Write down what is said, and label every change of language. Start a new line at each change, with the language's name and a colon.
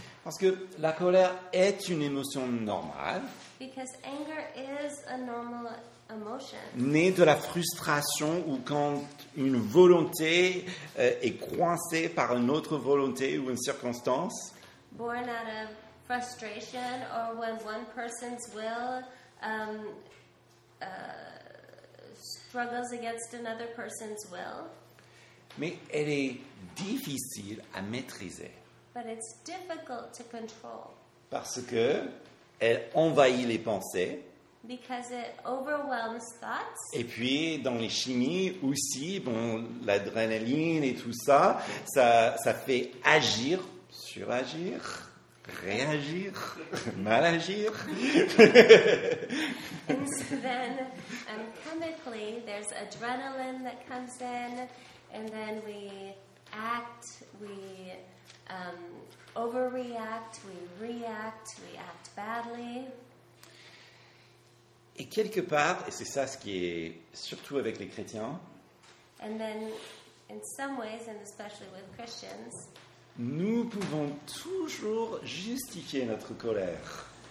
French: Parce que la colère est une émotion normale.
English: Because anger is a normal emotion.
French: Née de la frustration ou quand une volonté est coincée par une autre volonté ou une circonstance.
English: Born out of frustration or when one person's will struggles against another person's will.
French: Mais elle est difficile à maîtriser.
English: But it's difficult to control.
French: Parce que elle envahit les pensées.
English: Because it overwhelms thoughts.
French: Et puis dans les chimies aussi, bon, l'adrénaline et tout ça, ça fait agir, suragir, réagir, mal agir.
English: And so then, chemically, there's adrenaline that comes in, and then we act, we overreact, we react, we act badly.
French: Et quelque part, et c'est ça ce qui est surtout avec les chrétiens,
English: and then, in some ways, and especially with Christians,
French: nous pouvons toujours justifier notre colère.